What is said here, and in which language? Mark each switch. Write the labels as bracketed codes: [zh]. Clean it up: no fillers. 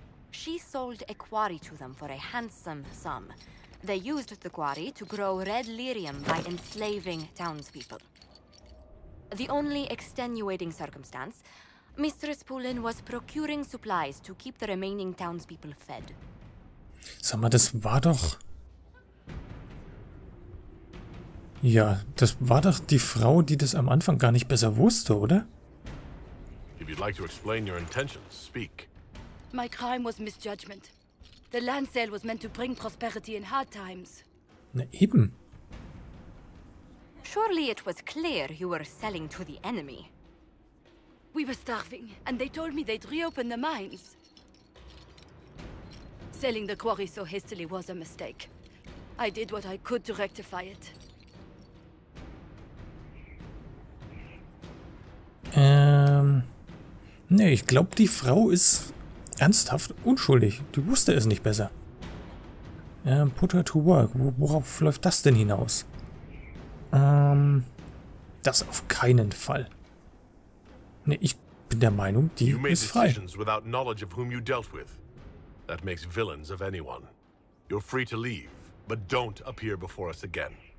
[en] She sold a quarry to them for a handsome sum. They used the quarry to grow red lyrium by enslaving townspeople. The only extenuating circumstance, Mistress Pullin was procuring supplies to keep the remaining townspeople fed. [de] Sag mal, das war doch... Ja, das war doch die Frau, die das am Anfang gar nicht besser wusste, oder? [en] If you'd like to explain your intentions, speak. My crime was misjudgment. The land sale was meant to bring prosperity in hard times. [de] Na eben. [en] Surely it was clear you were selling to the enemy. We were starving, and they told me they'd reopen the mines. Selling the quarry so hastily was a mistake. I did what I could to rectify it. Ähm, [de] Nee, ich glaube, die Frau ist ernsthaft unschuldig. Die wusste es nicht besser. [en] Put her to work. [de] Worauf läuft das denn hinaus? Das auf keinen Fall. Nee, ich bin der Meinung, die ist frei. [en] You made decisions without knowledge of whom you dealt with. That makes villains of anyone. You're free to leave, but don't appear before us again.